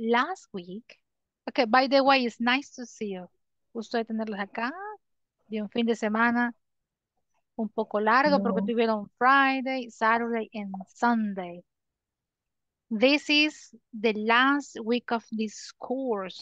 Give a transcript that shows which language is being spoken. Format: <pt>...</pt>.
<en>Last week, ok, by the way, it's nice to see you.</en> <es>Gusto de tenerlos acá. De un fin de semana un poco largo porque No. tuvieron Friday, Saturday y Sunday.</es> <en>This is the last week of this course.</en>